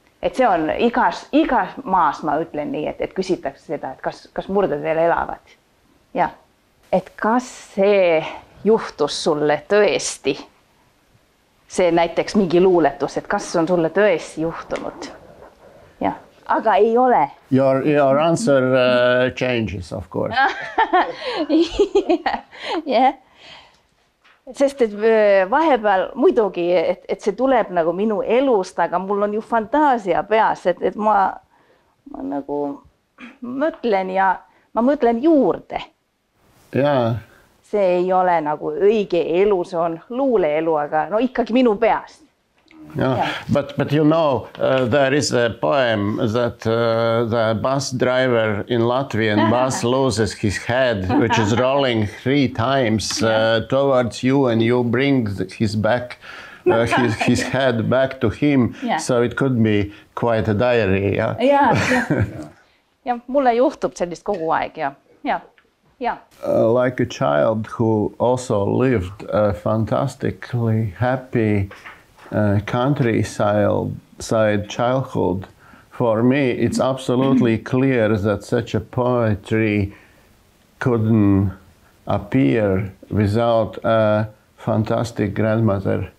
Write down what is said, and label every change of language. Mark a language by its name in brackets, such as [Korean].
[Estonian] Et see on igas maas, ma ütlen nii, et küsitakse seda, et kas murded veel elavad. Ja. Et kas see juhtus sulle tõesti, see näiteks mingi luuletus, et kas on sulle tõesti juhtunud. Ja. Aga ei ole. [English] Your answer changes, of course. Yeah. Yeah. [Estonian] Sest et vahepeal muidugi, et see tuleb nagu minu elust, aga mul on ju fantaasia peas, et ma nagu mõtlen ja ma mõtlen juurde. Jaa. See ei ole nagu õige elu, see on luule elu, aga no ikkagi minu peast. [English] Yeah. But you know, there is a poem that the bus driver in Latvian bus loses his head, which is rolling three times towards you, and you bring his head back to him. Yeah. So it could be quite a diary. Yeah. Yeah. Yeah. [Estonian] Ja mulle juhtub sellist kogu aeg. Ja. [English] Like a child who also lived a fantastically happy. Countryside childhood. For me, it's absolutely clear that such a poetry couldn't appear without a fantastic grandmother.